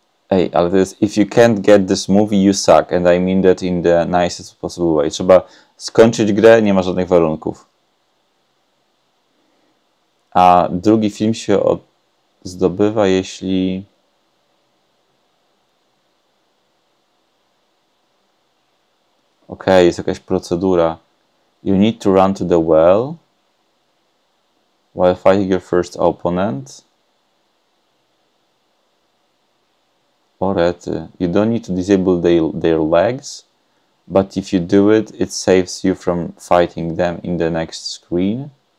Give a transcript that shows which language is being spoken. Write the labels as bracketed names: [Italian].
[Polish] Ej, ale to jest [English] if you can't get this movie, you suck. And I mean that in the nicest possible way. [Polish] Trzeba skończyć grę, nie ma żadnych warunków. A drugi film się zdobywa, jeśli... Okej, jest jakaś procedura. [English] You need to run to the well while fighting your first opponent. [Polish] O rety. [English] You don't need to disable their legs, but if you do it, it saves you from fighting them in the next screen.